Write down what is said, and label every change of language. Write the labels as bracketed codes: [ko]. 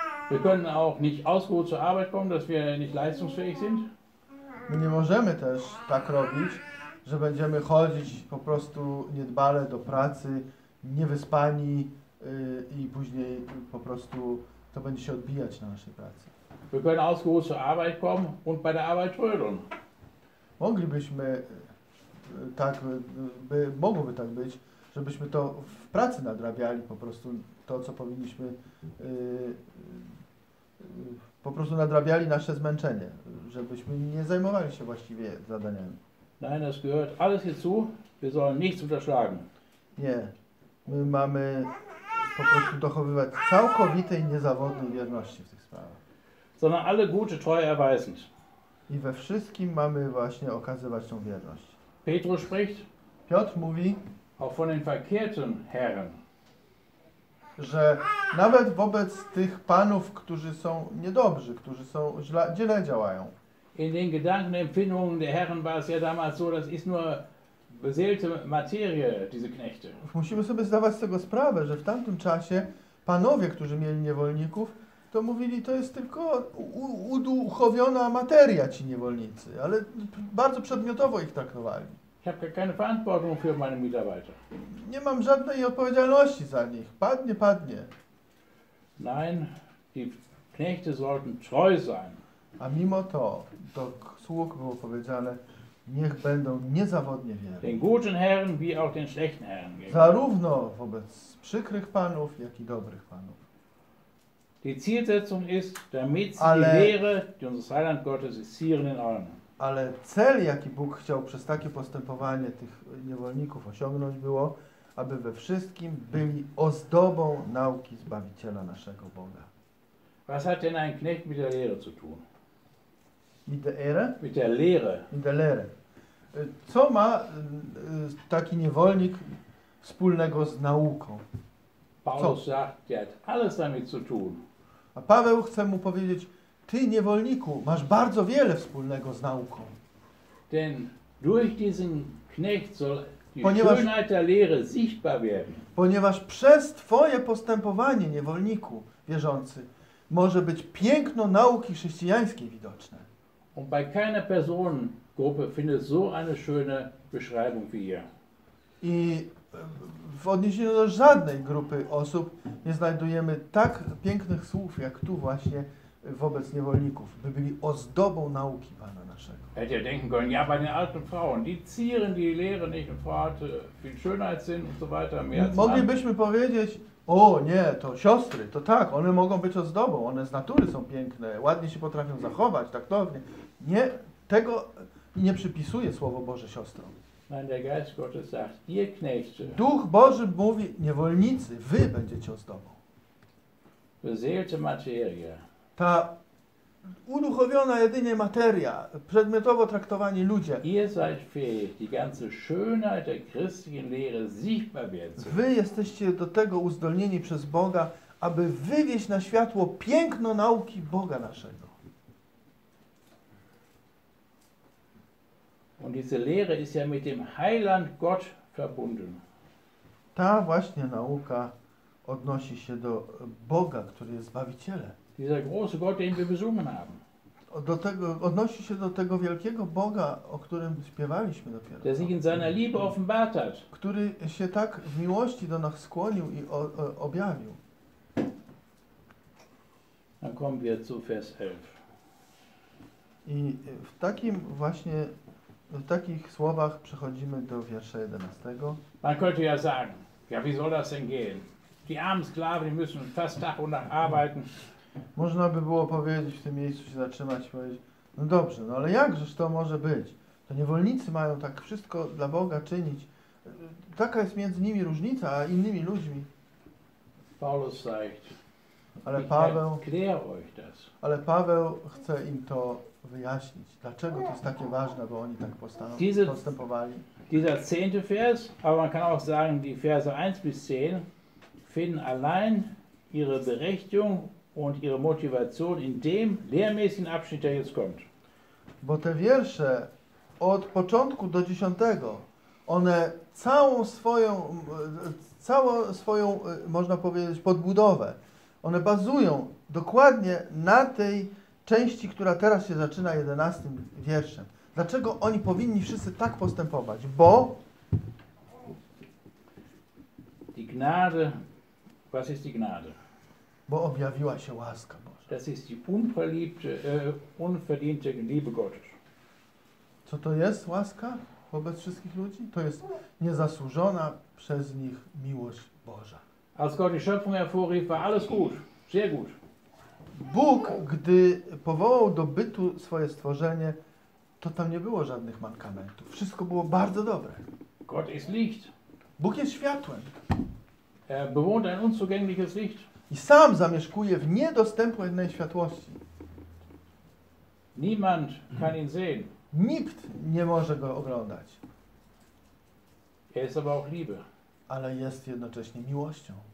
[de] Wir können auch nicht ausgeruht zur Arbeit kommen, dass wir nicht leistungsfähig sind. [pl] My nie możemy też tak robić, że będziemy chodzić po prostu niedbale do pracy, niewyspani i później po prostu to będzie się odbijać na naszej pracy. [de] Wir können ausgeruht zur Arbeit kommen und bei der Arbeit trödeln. [pl] Moglibyśmy tak, mogłoby tak być, żebyśmy to w pracy nadrabiali po prostu to, co powinniśmy, po prostu nadrabiali nasze zmęczenie, żebyśmy nie zajmowali się właściwie zadaniami. [de] Nein, das gehört alles hierzu. Wir sollen nichts unterschlagen. [pl] Nie. My mamy po prostu dochowywać całkowitej niezawodnej wierności w tych sprawach. [de] Sondern alle gute Treue erweisen. [pl] I we wszystkim mamy właśnie okazywać tą wierność. [de] Petrus spricht. [pl] Piotr mówi. [de] Auch von den verkehrten Herren. [pl] Że nawet wobec tych panów, którzy są niedobrzy, którzy są źle działają. [de] In den Gedanken, Empfindungen der Herren war es ja damals so, das ist nur beseelte Materie, diese Knechte. [pl] Musimy sobie zdawać z tego sprawę, że w tamtym czasie panowie, którzy mieli niewolników, to mówili, to jest tylko uduchowiona materia, ci niewolnicy, ale bardzo przedmiotowo ich traktowali. [de] Ich habe keine Verantwortung für meine Mitarbeiter. [pl] Nie mam żadnej odpowiedzialności za nich. Padnie, padnie. [de] Nein, die Knechte sollten treu sein. [pl] A mimo to, do sług było powiedziane, niech będą niezawodnie wierni. [de] Den guten Herren wie auch den schlechten Herren. [pl] Zarówno wobec przykrych panów, jak i dobrych panów. [de] Die Zielsetzung ist, damit sie die Lehre, die unseres Heiland Gottes ist, zieren in allem. [pl] Ale cel, jaki Bóg chciał przez takie postępowanie tych niewolników osiągnąć, było, aby we wszystkim byli ozdobą nauki Zbawiciela naszego Boga. [de] Was hat denn ein Knecht mit der Lehre zu tun? Mit der Ehre? Mit der Lehre. Mit der Lehre. [pl] Co ma taki niewolnik wspólnego z nauką? [de] Paulus sagt, er hat alles damit zu tun. [pl] A Paweł chce mu powiedzieć, ty niewolniku, masz bardzo wiele wspólnego z nauką. [de] Denn durch diesen Knecht soll die Schönheit der Lehre sichtbar werden. [pl] Ponieważ przez twoje postępowanie, niewolniku wierzący, może być piękno nauki chrześcijańskiej widoczne. [de] Und bei keiner Personengruppe findet so eine schöne Beschreibung wie ihr. [pl] I w odniesieniu do żadnej grupy osób nie znajdujemy tak pięknych słów jak tu właśnie wobec niewolników, by byli ozdobą nauki Pana naszego. [de] Hätte er denken können, ja, bei den alten Frauen, die zieren die Lehre nicht und fragte, viel Schönheitssinn und so weiter, mehr als [pl] moglibyśmy powiedzieć, o nie, to siostry, to tak, one mogą być ozdobą, one z natury są piękne, ładnie się potrafią zachować, taktownie. Nie, tego nie przypisuje Słowo Boże siostrom. [de] Nein, der Geist Gottes sagt, ihr Knechte. [pl] Duch Boży mówi, niewolnicy, wy będziecie ozdobą. [de] Beseelte materia. [pl] Ta uduchowiona jedynie materia, przedmiotowo traktowani ludzie. [de] Ihr seid fähig, die ganze Schönheit der christlichen Lehre sichtbar werden. [pl] Wy jesteście do tego uzdolnieni przez Boga, aby wywieźć na światło piękno nauki Boga naszego. [de] Und diese Lehre ist ja mit dem Heiland Gott verbunden. [pl] Ta właśnie nauka odnosi się do Boga, który jest Zbawicielem. [de] Dieser große Gott, den wir besungen haben. [pl] Do tego, odnosi się do tego wielkiego Boga, o którym śpiewaliśmy dopiero. [de] Der sich in seiner Liebe offenbart hat. [pl] Który się tak w miłości do nas skłonił i objawił. [de] Dann kommen wir zu Vers 11. [pl] I w takim właśnie, w takich słowach przechodzimy do wiersza 11. [de] Man könnte ja sagen, ja wie soll das denn gehen? Die armen Sklaven, die müssen fast Tag und Nacht arbeiten. [pl] Można by było powiedzieć, w tym miejscu się zatrzymać i powiedzieć, no dobrze, no ale jakżeż to może być? To niewolnicy mają tak wszystko dla Boga czynić. Taka jest między nimi różnica, a innymi ludźmi. [de] Paulus sagt, [pl] ale Paweł, [de] euch das. [pl] Ale Paweł chce im to wyjaśnić, dlaczego to jest takie ważne, bo oni tak postępowali. [de] Dieser zehnte Vers, aber man kann auch sagen, die Verse 1 bis 10 finden allein ihre Berechtigung und ihre Motivation in dem lehrmäßigen Abschnitt, der jetzt kommt. [pl] Bo te wiersze od początku do 10, one całą swoją, można powiedzieć, podbudowę, one bazują dokładnie na tej części, która teraz się zaczyna 11 wierszem. Dlaczego oni powinni wszyscy tak postępować? Bo [de] die Gnade, was ist die Gnade? [pl] Bo objawiła się łaska Boża. [de] Das ist die unverliebte, unverdiente Liebe Gottes. [pl] Co to jest łaska wobec wszystkich ludzi? To jest niezasłużona przez nich miłość Boża. [de] Als Gott die Schöpfung hervorrief, war alles gut, sehr gut. [pl] Bóg, gdy powołał do bytu swoje stworzenie, to tam nie było żadnych mankamentów. Wszystko było bardzo dobre. [de] Gott ist Licht. [pl] Bóg jest światłem. [de] Er bewohnt ein unzugängliches Licht. [pl] I sam zamieszkuje w niedostępnej światłości. [de] Niemand kann ihn sehen. [pl] Nikt nie może go oglądać. [de] Er ist aber auch Liebe. [pl] Ale jest jednocześnie miłością.